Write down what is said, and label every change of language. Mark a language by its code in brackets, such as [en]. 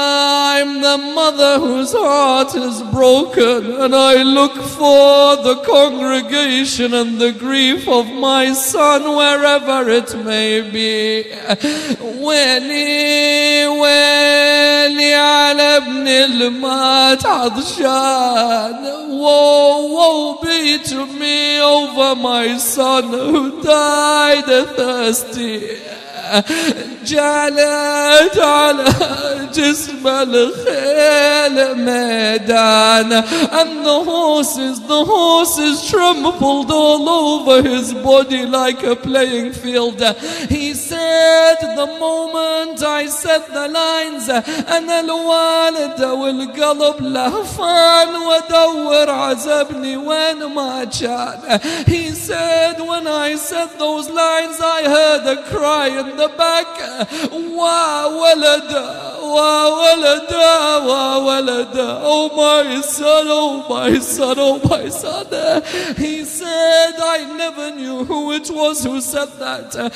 [en] I'm the mother whose heart is broken, and I look for the congregation and the grief of my son wherever it may be. [ar] Weli, weli ala ibni al-mat adshan. [en] Woe, woe be to me over my son who died thirsty. [ar] جالت على جسم الخيل ميدان. [en] And the horses trampled all over his body like a playing field. He said, the moment I said the lines, [ar] أنا الوالد والقلب لهفان ودور عزبني وين ما جان. [en] He said, when I said those lines, I heard a cry in the back. [ar] Wa walada, wa walada, wa walada. [en] Oh my son, oh my son, oh my son. He said, I never knew who it was who said that.